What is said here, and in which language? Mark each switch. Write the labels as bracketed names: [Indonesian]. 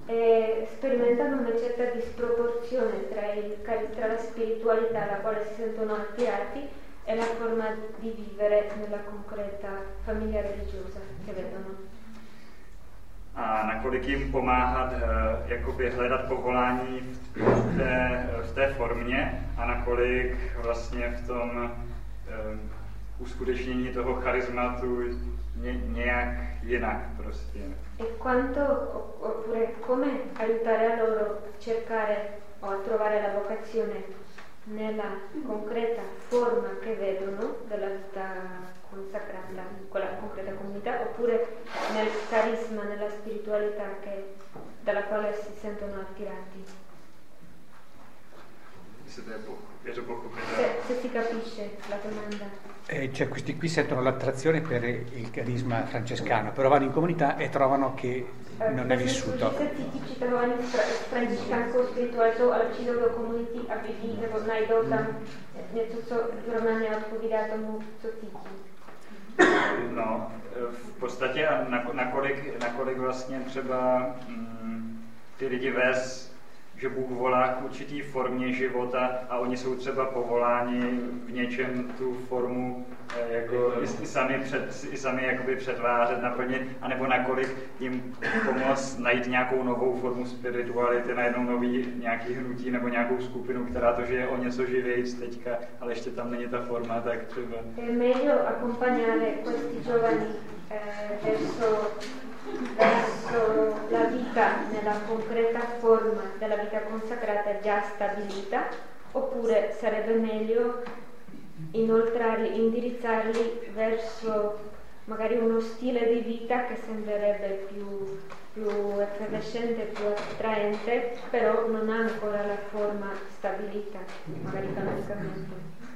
[Italian] Sperimentano una certa disproporzione tra la spiritualità alla quale si sentono attirati e la forma di vivere nella concreta famiglia religiosa che vedono. [Czech] A nakolik jim pomáhat jakoby hledat povolání v té formě a nakolik vlastně v tom uskutečnění toho charismatu nějak jinak prostě. [Italian] E quanto oppure come aiutare a loro a cercare o a trovare la vocazione nella concreta forma che vedono della vita consacrata con la concreta comunità oppure nel carisma, nella spiritualità che dalla quale si sentono attirati. Se si capisce la domanda. Cioè questi qui sentono l'attrazione per il carisma francescano, però vanno in comunità e trovano che non è vissuto. Se ti ci trovano in francescano spirituale, [Czech] ale přijde do komunity a vidí, nebo najdou tam něco, co zrovna neodpovídá tomu, co cítí. No, v podstatě nakolik vlastně třeba ty lidi vést, že Bůh volá k určitý formě života a oni jsou třeba povoláni v něčem tu formu jako i sami jakoby přetvářet, naplnit, anebo nakolik jim pomoct najít nějakou novou formu spirituality, najednou nový nějaký hnutí nebo nějakou skupinu, která to žije o něco živějíc teďka, ale ještě tam není ta forma, tak třeba. [Italian] Meglio accompagnare questi giovani verso verso la vita nella concreta forma della vita consacrata già stabilita, oppure sarebbe meglio inoltrarli, indirizzarli verso magari uno stile di vita che sembrerebbe più effervescente, più attraente, però non ha ancora la forma stabilita, magari canonicamente.